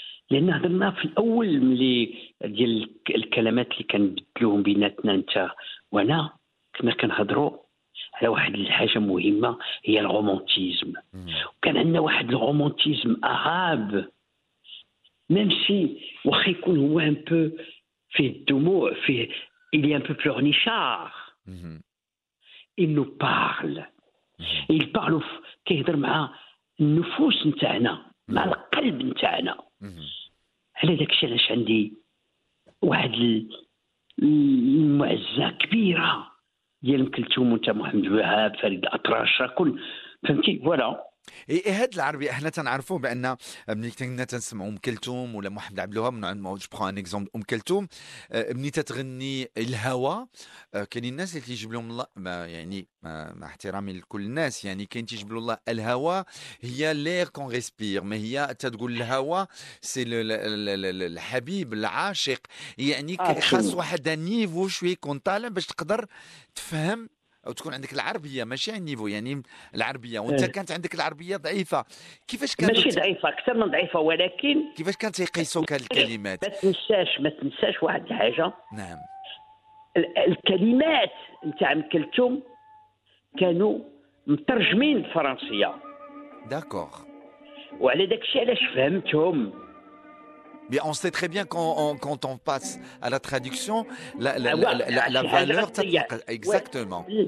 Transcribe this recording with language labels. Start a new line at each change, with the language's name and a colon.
Arabic: لأن هضرنا في الأول ملي ديال الكلمات اللي كنبدلوهم بيناتنا أنت وأنا كنا كنهضروا على واحد الحاجة مهمة هي الرومانتيزم وكان عندنا واحد الرومانتيزم أهاب ميم سي واخا يكون هو أن بو فيه الدموع فيه إلي أن بو بلورنيشار Il nous parle.
French: Il parle au cœur de nous fous nta'na, مع القلب نتاعنا.
Arabic: على داكشي علاش عندي واحد المعزة كبيرة ديال كلثوم وانت محمد الوهاب فريد الأطراش كل فهمتي فوالا إيه هاد العربي احنا تنعرفوه بان ملي كنا تنسمعوا ام كلثوم ولا محمد عبد الوهاب من عند ما جو بران اكزومبل ام كلثوم ملي تتغني الهوى كاين الناس اللي تيجيب لهم الله يعني مع احترامي لكل الناس يعني كاين تيجيب له الله الهوى هي لير كون ريسبير ما هي تتقول الهوى سي الحبيب العاشق يعني خاص واحد النيفو شوي يكون طالع باش تقدر تفهم أو تكون عندك العربية ماشي النيفو يعني العربية وانت كانت عندك العربية ضعيفة كيفاش كانت ماشي ضعيفة أكثر من ضعيفة ولكن كيفاش كانت يقيسوك الكلمات ما تنساش واحد الحاجة نعم الكلمات انت عم كلتهم كانوا مترجمين الفرنسية
French: داكور
Arabic: وعلى داكشي علاش فهمتهم
French: Mais on sait très bien quand on passe à la traduction, la valeur, exactement.